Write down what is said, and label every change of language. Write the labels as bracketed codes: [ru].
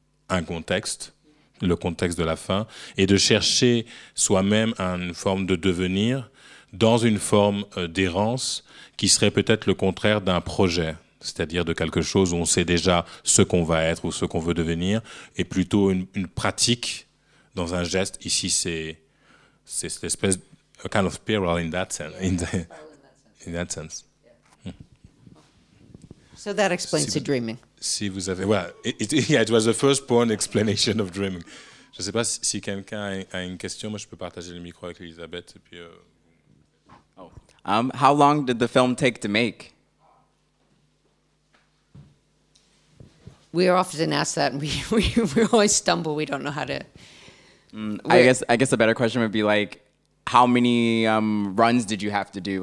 [fr] un contexte, le contexte de la fin, et de chercher soi-même une forme de devenir dans une forme d'errance qui serait peut-être le contraire d'un projet, c'est-à-dire de quelque chose où on sait déjà ce qu'on va être ou ce qu'on veut devenir, et plutôt une pratique dans un geste. Ici, c'est cette espèce, [en] a kind of spiral in that sense. in that sense. So that explains the dreaming. [fr] Si vous avez, [en] well, it was the first point explanation of dreaming. [fr] Je ne sais pas si quelqu'un a une question. Moi, je peux partager le micro avec Elisabeth. Et puis, [en] How long did the film take to make? We are often asked that, and we always stumble. We don't know how to. I guess a better question would be like, how many runs did you have to do?